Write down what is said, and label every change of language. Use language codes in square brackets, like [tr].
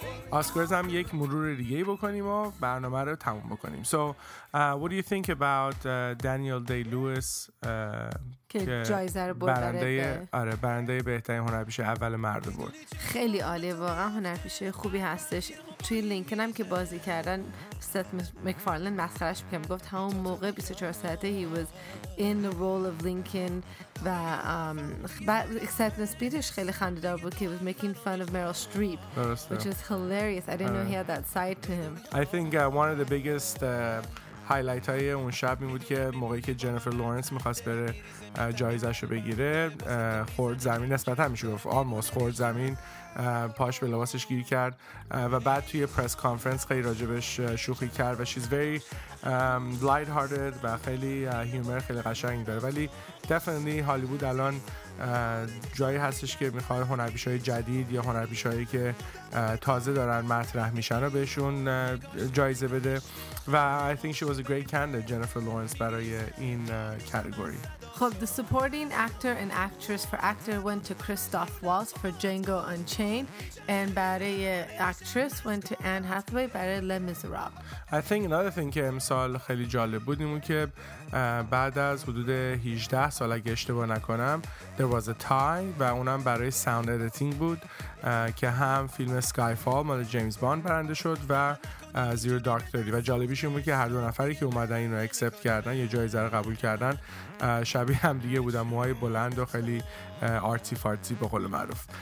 [fa] آسکارز هم یک مرور دیگه بکنیم و برنامه رو تموم بکنیم. [en] So, what do you think about Daniel Day-Lewis [fa] که جایزه رو برنده آره برنده بهترین هنرپیشه اول مرد بود؟ خیلی عالیه، واقعا هنرپیشه خوبی هستش. توی لینکن هم که بازی کردن ست مکفارلن مسخرش بکنم، گفت همون موقع 24 ساعته [en] he was in the role of Lincoln [fa] و acceptance speedish خیلی خنددار بود که [en] he was making fun of Meryl Streep which was hilarious. I didn't know he had that side to him. I think one of the biggest [fa] هایلایت های اون شب این بود که موقعی که جنیفر لورنس میخواست بره جایزش رو بگیره خورد زمین، نسبت همیشه گفت almost خورد زمین، پاش به لباسش گیر کرد و بعد توی پرس کانفرنس خیلی راجبش شوخی کرد و [en] she's very light hearted [fa] و خیلی هیومر خیلی قشنگ داره. ولی definitely هالیوود الان جایی هستش که میخواد هنرپیشه‌های جدید یا هنرپیشه‌هایی که تازه دارن مطرح میشن رو بهشون جایزه بده و [en] I think she was a great candidate [fa] Jennifer Lawrence برای این کاتگوری. [en] خب the supporting actor and actress for actor went to Christoph Waltz for Django Unchained and برای actress went to Anne Hathaway برای Les Miserables. I think another thing [fa] که امسال خیلی جالب بود اینو که بعد از حدود 18 سال اگه اشتباه نکنم [en] there was a tie [fa] و اونم برای sound editing بود که هم فیلم Skyfall مال جیمز باند برنده شد و Zero Dark Thirty. و جالبیش این بود که هر دو نفری که اومدن اینو accept کردن یه جایزه رو قبول کردن شبیه هم دیگه بودن، موهای بلند و خیلی آرتی فارتی به قول معروف.